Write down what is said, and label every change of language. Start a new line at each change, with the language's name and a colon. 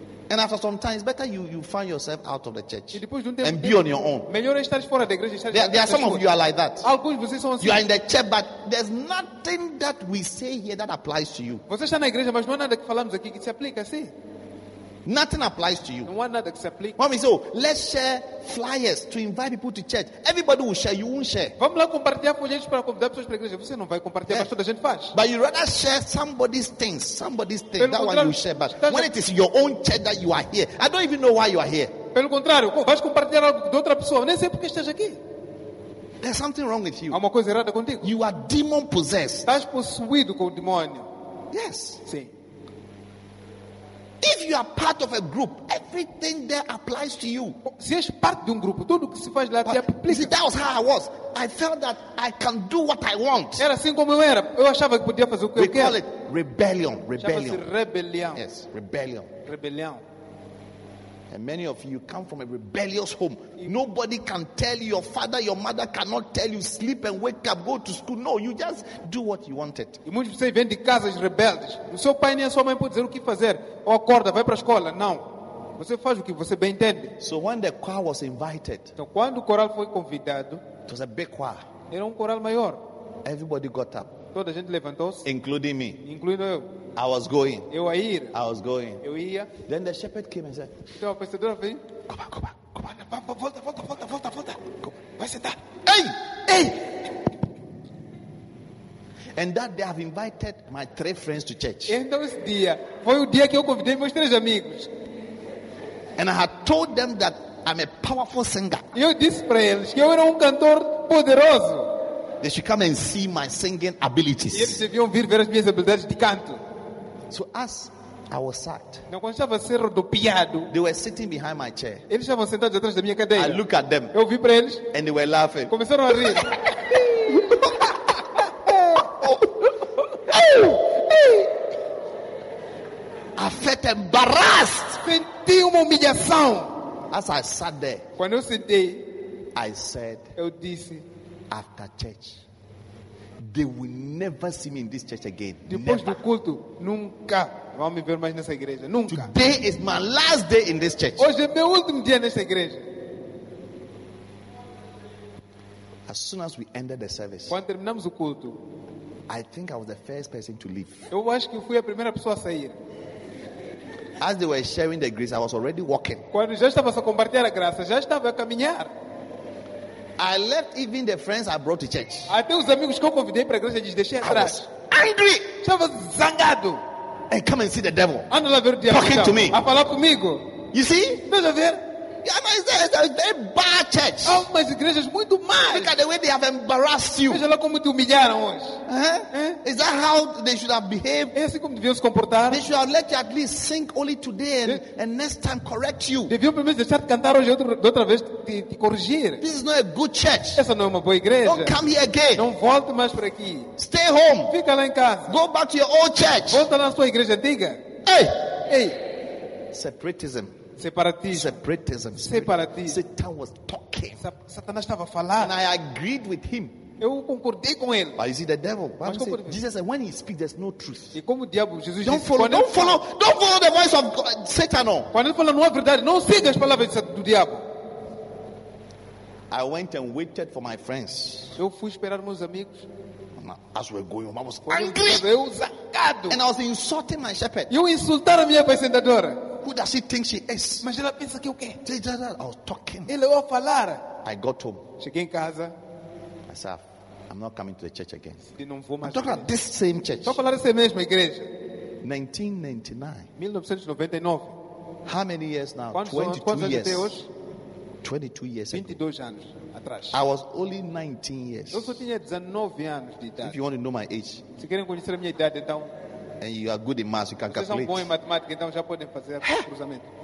English: And after some time, it's better you find yourself out of the church
Portuguese: e depois de tempo,
English: and be on your own.
Portuguese: Melhor é estar fora da igreja, estar
English: there are some of you are like that.
Portuguese: Alguns vocês são assim.
English: You are in the church, but there's nothing that we say here that applies to you.
Portuguese: Você está na igreja, mas não há nada que falamos aqui que se aplica, sim.
English: Nothing applies to you.
Portuguese: Não há nada que se aplica.
English: Mommy, so let's share flyers to invite people to church. Everybody will share, you won't share.
Portuguese: Vamos lá compartilhar folhetos para convidar pessoas para a igreja. Você não vai compartilhar, mas toda a gente faz.
English: But you rather share somebody's things. That one you share. But when it is your own church that you are here, I don't even know why you are here.
Portuguese: Pelo contrário, vais compartilhar algo de outra pessoa. Nem sei porque estás aqui.
English: There's something wrong with you.
Portuguese: Há uma coisa errada contigo.
English: You are demon possessed.
Portuguese: Estás possuído com o demônio.
English: Yes.
Portuguese: Sim.
English: If you are part of a group, everything there applies to you.
Portuguese: Se és parte de grupo, tudo que se faz lá te aplica.
English: See, that was how I was. I felt that I can do what I want.
Portuguese: Era assim como eu era. Eu achava que podia fazer o que eu quero.
English: We call it rebellion. Rebellion.
Portuguese: Chama-se rebelião.
English: Yes, rebellion.
Portuguese: Rebelião.
English: And many of you come from a rebellious home. Nobody can tell you. Your father, your mother cannot tell you. Sleep and wake up, go to school. No, you just do what you wanted.
Portuguese: E muitos de vocês vêm de casas rebeldes. O seu pai nem a sua mãe pode dizer o que fazer. Ou acorda, vai para a escola. Não. Você faz o que você bem entende.
English: So when the choir was invited,
Portuguese: então, quando o coral foi convidado,
English: it was a big choir.
Portuguese: Era coral maior.
English: Everybody got up.
Portuguese: Toda a gente levantou-se.
English: Including me.
Portuguese: Incluindo eu.
English: I was going.
Portuguese: Eu a ir.
English: I was going.
Portuguese: Eu ia.
English: Then the shepherd came and said.
Portuguese: Então a pastora veio.
English: Come on.
Portuguese: Volta.
English: Come.
Portuguese: Vai sentar.
English: Hey. And that day I've invited my three friends to church.
Portuguese: Então esse dia foi o dia que eu convidei meus três amigos.
English: And I had told them that I'm a powerful singer.
Portuguese: Eu disse para eles que eu era cantor poderoso.
English: They should come and see my singing abilities.
Portuguese: Eles deviam vir ver as minhas habilidades de canto.
English: So as I was sat, they were sitting behind my chair.
Portuguese: Eles estavam sentados atrás da minha cadeira.
English: I look at them.
Portuguese: Eu vi para eles.
English: And they were laughing.
Portuguese: Começaram a rir.
English: I felt embarrassed.
Portuguese: Senti uma humilhação.
English: As I sat there,
Portuguese: quando eu sentei,
English: I said,
Portuguese: eu disse,
English: after church, they will never see me in this church again.
Portuguese: Depois
English: never.
Portuguese: Do culto, nunca vão me ver mais nessa igreja. Nunca.
English: Today is my last day in this church.
Portuguese: Hoje é meu último dia nessa igreja.
English: As soon as we ended the service,
Portuguese: quando terminamos o culto,
English: I think I was the first person to leave.
Portuguese: Eu acho que fui a primeira pessoa a sair.
English: As they were sharing the grace, I was already walking.
Portuguese: Quando já estava a compartilhar a graça, já estava a caminhar.
English: I left even the friends I brought to church.
Portuguese: Até os amigos que eu convidei para a igreja, eles deixei atrás.
English: I was angry.
Portuguese: Estava zangado.
English: Hey, come and see the devil.
Portuguese: Anda lá ver o diabo.
English: Talking to me.
Portuguese: A falar comigo.
English: You see?
Portuguese: Veja ver.
English: It's a very bad church.
Portuguese: Algumas igrejas muito mais.
English: Look at the way they have embarrassed you.
Portuguese: Veja lá como te humilharam hoje.
English: Is that how they should have behaved?
Portuguese: É assim como deviam se comportar?
English: They should have let you at least sing only today and next time correct you.
Portuguese: Deviam pelo menos deixar de cantar hoje outra vez te corrigir.
English: This is not a good church.
Portuguese: Essa não é uma boa igreja.
English: Don't come here again.
Portuguese: Não volte mais por aqui.
English: Stay home.
Portuguese: Fica lá em casa.
English: Go back to your old church.
Portuguese: Volta lá na sua igreja antiga.
English: Hey, hey. Separatism. Separatism. Separatism. Separatism. Satan was talking.
Portuguese: Satanás estava a falar.
English: And I agreed with him.
Portuguese: Eu concordei com ele.
English: But is he the devil? Mas say, Jesus said, when he speaks, there's no truth.
Portuguese: E como diabo, Jesus
English: don't follow.
Portuguese: Disse,
English: don't follow the voice of God, Satan.
Portuguese: Não. Quando ele fala não é verdade, não siga as palavras do diabo.
English: I went and waited for my friends.
Portuguese: Eu fui esperar meus amigos.
English: As we're going, mama was angry.
Portuguese: Eu zangado.
English: And I was insulting my shepherd.
Portuguese: Eu insultar a minha apacentadora.
English: Who does she think she is?
Portuguese: Mas ela pensa que o quê?
English: I was talking.
Portuguese: Ele ia falar.
English: I got home.
Portuguese: Cheguei em casa.
English: I said, I'm not coming to the church again.
Portuguese: Eu não vou mais.
English: I'm talking about this same church.
Portuguese: Estou falando dessa mesma igreja.
English: 1999. How many years now?
Portuguese: Quantos 22 anos
English: years.
Portuguese: Anos?
English: 22 years 22 ago.
Portuguese: Anos atrás.
English: I was only 19 years.
Portuguese: Eu só tinha 19 anos de idade.
English: If you want to know my age.
Portuguese: Se querem conhecer a minha idade, então.
English: And you are good in math, you can calculate.
Portuguese: Vocês são bons em matemática, então já podem fazer o cruzamento.